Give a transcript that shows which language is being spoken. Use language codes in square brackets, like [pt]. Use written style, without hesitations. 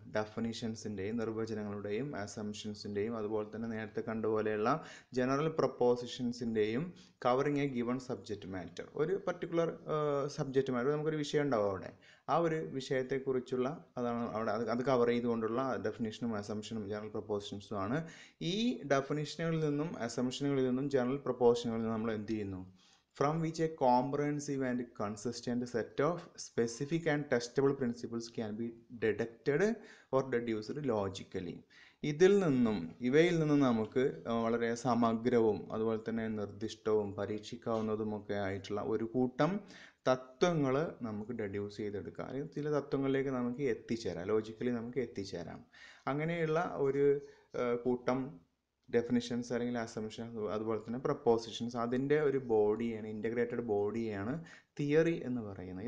[ml] ഡെഫിനിഷൻസിൻ്റെയും നിർവചനങ്ങളുടെയും അസംഷൻസിൻ്റെയും അതുപോലെ തന്നെ നേരത്തെ കണ്ടതുപോലെയുള്ള general പ്രപ്പോസിഷൻസിൻ്റെയും [en] Covering a given subject matter. [ml] ഒരു പർട്ടിക്കുലർ സബ്ജക്റ്റ് മാറ്റർ, നമുക്കൊരു വിഷയം ഉണ്ടാവും അവിടെ, ആ ഒരു വിഷയത്തെക്കുറിച്ചുള്ള അതാണ് അവിടെ അത് കവർ ചെയ്തുകൊണ്ടുള്ള ഡെഫിനിഷനും അസംഷനും ജനറൽ പ്രപ്പോസിഷൻസും ആണ്. ഈ ഡെഫിനിഷനുകളിൽ നിന്നും അസംഷനുകളിൽ നിന്നും ജനറൽ പ്രപ്പോസിഷനുകളിൽ നിന്നും നമ്മൾ എന്ത് ചെയ്യുന്നു? [en] From which a comprehensive and consistent set of specific and testable principles can be deducted or deduced logically. [ml] ഇതിൽ നിന്നും, ഇവയിൽ നിന്നും നമുക്ക് വളരെ സമഗ്രവും അതുപോലെ തന്നെ നിർദ്ദിഷ്ടവും പരീക്ഷിക്കാവുന്നതുമൊക്കെ ആയിട്ടുള്ള ഒരു കൂട്ടം തത്വങ്ങൾ നമുക്ക് ഡെഡ്യൂസ് ചെയ്തെടുക്കാം, അല്ലെങ്കിൽ ചില തത്വങ്ങളിലേക്ക് നമുക്ക് എത്തിച്ചേരാം, ലോജിക്കലി നമുക്ക് എത്തിച്ചേരാം. അങ്ങനെയുള്ള ഒരു കൂട്ടം ഡെഫിനിഷൻസ് അല്ലെങ്കിൽ അസംഷൻസ് അതുപോലെ തന്നെ പ്രപ്പോസിഷൻസ്, അതിൻ്റെ ഒരു ബോഡിയാണ്, ഇൻ്റഗ്രേറ്റഡ് ബോഡിയാണ് തിയറി എന്ന് പറയുന്നത്.